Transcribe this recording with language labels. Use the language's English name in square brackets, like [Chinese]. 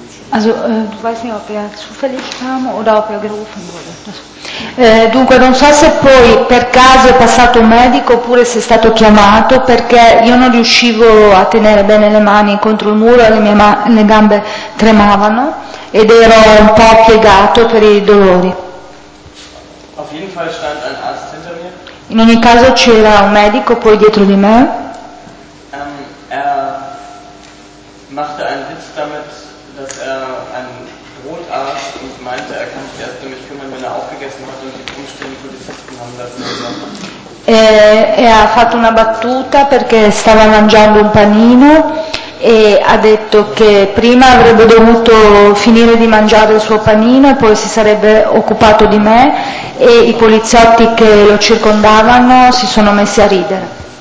[German] Also, du weißt nicht, ob er zufällig kam oder ob er gerufen wurde. [Italian] Dunque, non so se poi per caso è passato un medico oppure se è stato chiamato, perché io non riuscivo a tenere bene le mani contro il muro e le gambe tremavano ed ero un po' piegato per i dolori. [German] Auf jeden Fall stand ein Arzt hinter mir. [Italian] In ogni caso c'era un medico poi dietro di me. [German] Er machte einen Witz damit, dass er ein Brot aß und meinte, er kann sich erst um mich kümmern, wenn er aufgegessen hat und die umstehenden Polizisten haben das [Italian] E ha fatto una battuta perché stava mangiando un panino e ha detto che prima avrebbe dovuto finire di mangiare il suo panino e poi si sarebbe occupato di me e i poliziotti che lo circondavano si sono messi a ridere.